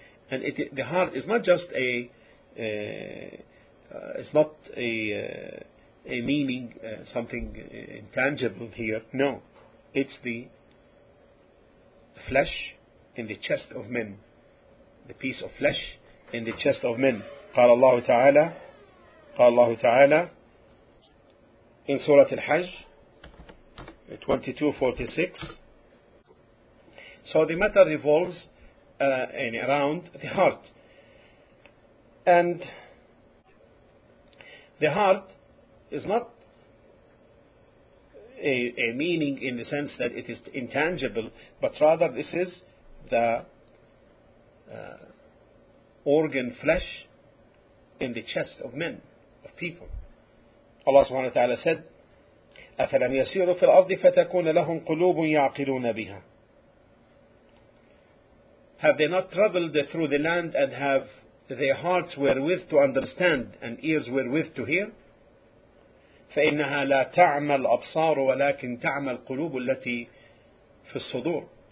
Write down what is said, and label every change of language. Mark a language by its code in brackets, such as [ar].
[en] And it, the heart is not just a, it's not a meaning, something intangible here. No, it's the flesh in the chest of men. The piece of flesh in the chest of men. [ar] قال الله تعالى, قال الله تعالى [en] in Surah Al-Hajj, [ar] 22:46. [en] So the matter revolves around the heart. And the heart is not a meaning in the sense that it is intangible, but rather this is the organ flesh in the chest of men, of people. [ar] Allah subhanahu wa ta'ala [en] said, [ar] أَفَلَمْ يَسِيرُوا فِي الْأَرْضِ فَتَكُونَ لَهُمْ قُلُوبٌ يَعْقِلُونَ بِهَا. [en] Have they not traveled through the land and have their hearts wherewith to understand and ears wherewith to hear? [ar] فَإِنَّهَا لَا تَعْمَى الْأَبْصَارُ وَلَكِنْ تَعْمَى الْقُلُوبُ الَّتِي فِي الصُّدُورِ.